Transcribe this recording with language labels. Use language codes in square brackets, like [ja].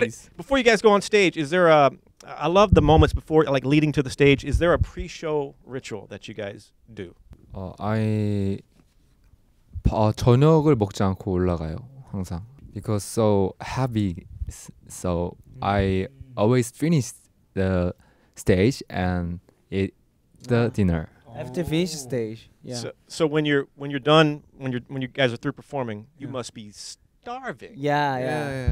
[en] Hey, before you guys go on stage, is there I love the moments before, like leading to the stage, is there a pre-show ritual that you guys do? [ko] I 저녁을 먹지 않고 올라가요, 항상. [en] Because so heavy. So I always finish the stage and eat the dinner. After finish the stage. Yeah. So when you guys are through performing, you must be starving. Yeah.